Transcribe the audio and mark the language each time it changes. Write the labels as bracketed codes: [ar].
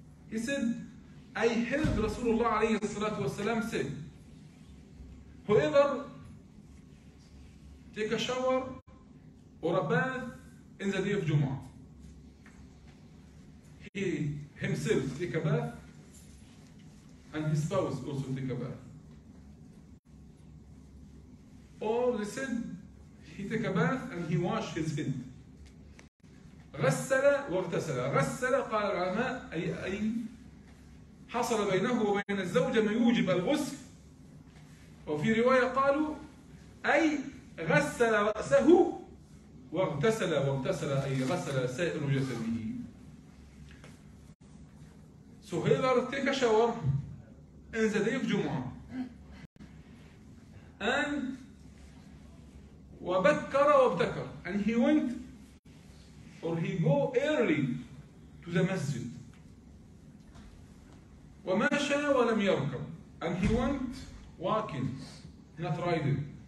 [en] He said, I heard Rasulullah alayhi salatu wasalam say, whoever take a shower or a bath in the day of Jumu'ah, he himself take a bath and his spouse also take a bath. Or they said, he took a bath and he washed his head. [ar] غسل واغتسل. غسل قال العلماء أي حصل بينه وبين الزوجة ما يوجب الغسل. وفي رواية قالوا أي غسل رأسه واغتسل واغتسل أي غسل سائر جسده. [en] So he took a shower in the day of Jumu'ah and [ar] وَبَكَّرَ وَبْتَكَرَ [en] and he went or he go early to the masjid [ar] وَمَشَى وَلَمْ يَرْكَبْ [en] and he went walking not riding